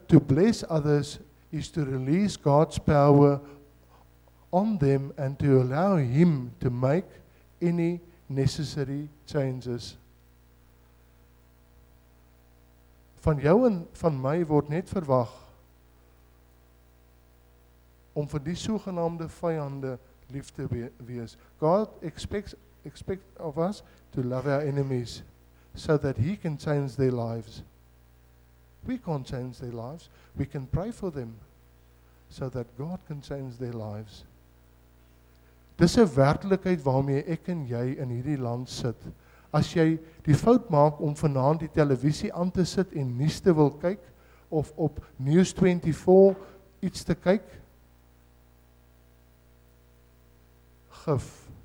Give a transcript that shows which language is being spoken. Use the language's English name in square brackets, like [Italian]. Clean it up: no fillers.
[English] To bless others is to release God's power on them and to allow him to make any necessary changes. [Afrikaans] Van jou en van my word net verwag om vir die sogenaamde vyande liefde wees. [English] God expects of us to love our enemies so that he can change their lives. We can't change their lives. We can pray for them so that God can change their lives. [Afrikaans] Dis 'n werklikheid waarmee ek en jy in hierdie land sit. As jy die fout maak om vanaand die televisie aan te sit en nuus te wil kyk of op News 24 iets te kyk, gif.